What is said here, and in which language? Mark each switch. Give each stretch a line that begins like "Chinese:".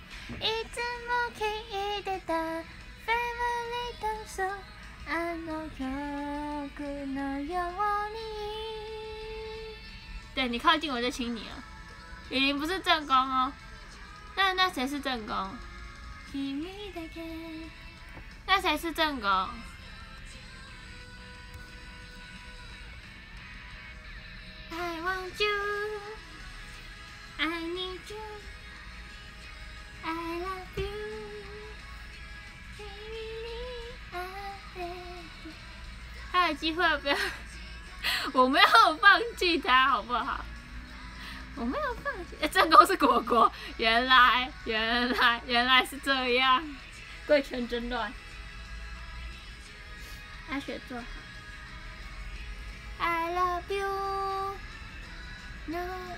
Japanese: いつも聞いてたフェブリットソン、あの曲のように。
Chinese: 对，你靠近我就亲你了。雨林不是正宫哦，那谁是正宫？
Japanese: 君だけ。
Chinese: 那谁是正宫？
English: I want you, I need you. I love you, baby, I love you.
Chinese: 还有机会不要，我没有放弃他，好不好？我没有放弃，正宫是果果，原来是这样，贵圈真乱。阿雪坐好。
English: I love you, no.